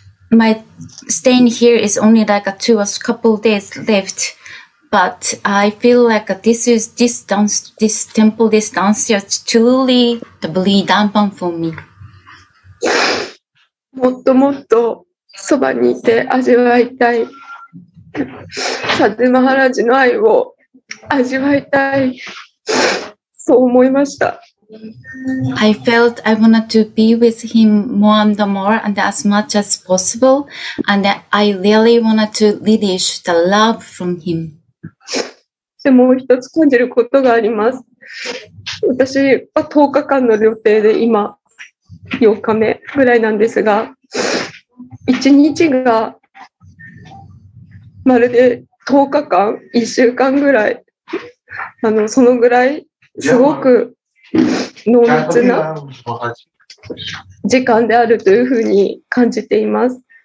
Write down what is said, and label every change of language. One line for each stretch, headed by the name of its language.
English: My staying here is only like a couple of days left, but I feel like this temple, this dancer is truly the Bodhidharma for me.
Japanese: もっともっとそばにいて味わいたい、サドゥマハラジの愛を味わいたい、そう思いました。
English: I felt I wanted to be with him more and more and as much as possible, and I really wanted to relish the love from him.
Japanese: でもう一つ感じることがあります。私は10日間の予定で今4日目ぐらいなんですが、一日がまるで10日間、1週間ぐらい、そのぐらいすごく濃密な時間であるというふうに感じています。